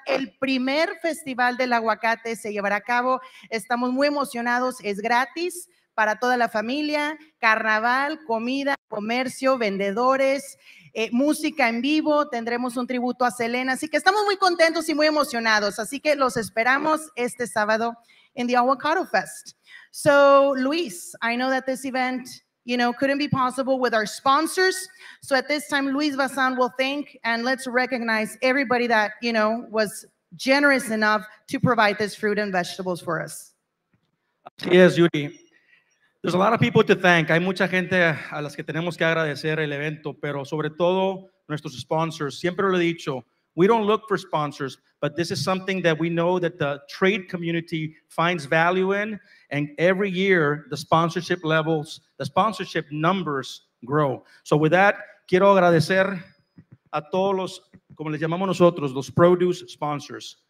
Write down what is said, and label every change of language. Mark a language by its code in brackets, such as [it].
[es] El primer festival del aguacate se llevará a cabo. Estamos muy emocionados. Es gratis para toda la familia, carnaval, comida, comercio, vendedores, música en vivo, tendremos un tributo a Selena, así que estamos muy contentos y muy emocionados, así que los esperamos este sábado en The Avocado Fest. [en] So, Luis, I know that this event, you know, couldn't be possible with our sponsors. So at this time, Luis Bazan will thank and let's recognize everybody that, you know, was generous enough to provide this fruit and vegetables for us. Yes, Yuri. There's a lot of people to thank. [es] Hay mucha gente a las que tenemos que agradecer el evento, pero sobre todo nuestros sponsors. Siempre lo he dicho, [en] we don't look for sponsors, but this is something that we know that the trade community finds value in. And every year, the sponsorship levels, the sponsorship numbers grow. So with that, [es] quiero agradecer a todos los, como les llamamos nosotros, los produce sponsors.